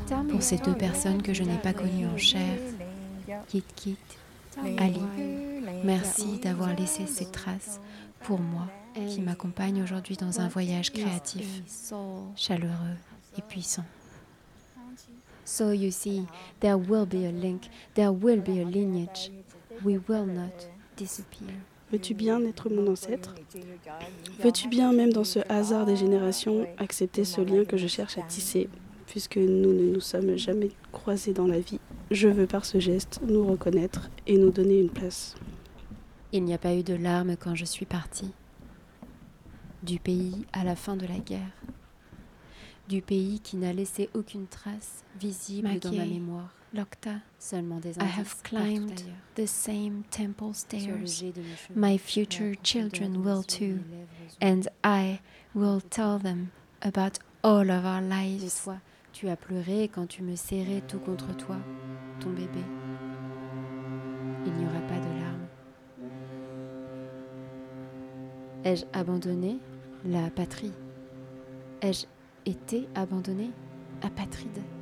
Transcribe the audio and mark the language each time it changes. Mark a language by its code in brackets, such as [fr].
[fr] Pour ces deux personnes que je n'ai pas connues en chair, Kit Kit, Ali, merci d'avoir laissé ces traces pour moi qui m'accompagne aujourd'hui dans un voyage créatif, chaleureux et puissant. [en] So you see, there will be a link, there will be a lineage. We will not disappear. [fr] Veux-tu bien être mon ancêtre? Veux-tu bien, même dans ce hasard des générations, accepter ce lien que je cherche à tisser, puisque nous ne nous sommes jamais croisés dans la vie? Je veux par ce geste nous reconnaître et nous donner une place. Il n'y a pas eu de larmes quand je suis partie. Du pays à la fin de la guerre. Du pays qui n'a laissé aucune trace visible dans ma mémoire. Locta, seulement des indices. [en] I have climbed the same temple stairs. My future children will too. And I will tell them about all of our lives. [fr] Et toi, tu as pleuré quand tu me serrais tout contre toi, ton bébé. Il n'y aura pas de larmes. Ai-je abandonné la patrie? Ai-je été abandonné, apatride?